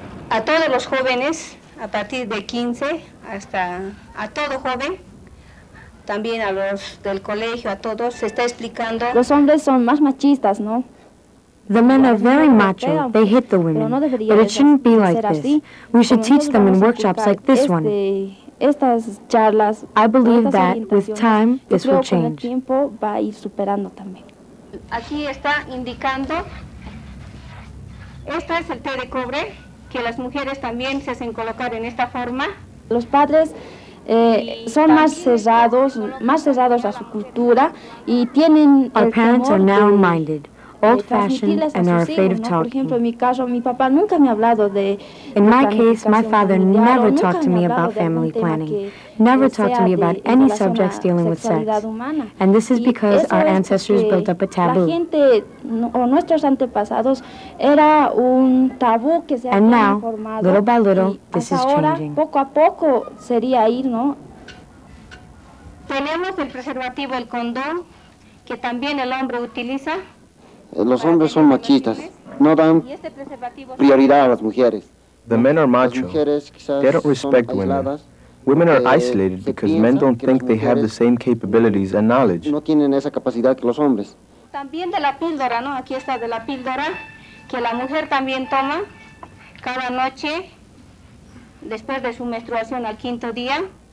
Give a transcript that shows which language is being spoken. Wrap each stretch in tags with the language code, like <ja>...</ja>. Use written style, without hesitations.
<es>A todos los jóvenes, a partir de 15, hasta a todo joven, también a los del colegio, a todos, se está explicando. Los hombres son más machistas, ¿no?</es> <en>The men are very macho, they hit the women, but it shouldn't be like this. We should teach them in workshops like this one. I believe that with time, this will change.</en> <es>Aquí está indicando, este es el té de cobre, que las mujeres también se hacen colocar en esta forma. Los padres son más cerrados a su cultura y tienen el temor de...</es> <en>old-fashioned and are afraid of talking. In my case, my father never talked to me about family planning, never talked to me about any subjects dealing with sex. And this is because our ancestors built up a taboo. And now, little by little, this is changing.</en> <es>Poco a poco sería ir, ¿no? Tenemos el preservativo, el condón, que también el hombre utiliza. Los hombres son machistas, no dan prioridad a las mujeres.</es> <en>The men are macho. They don't respect women. Women are isolated because men don't think they have the same capabilities and knowledge.</en> <es>No tienen esa capacidad que los hombres. También de la píldora, ¿no? Aquí está de la píldora que la mujer también toma cada noche después de su menstruación al quinto día.</es>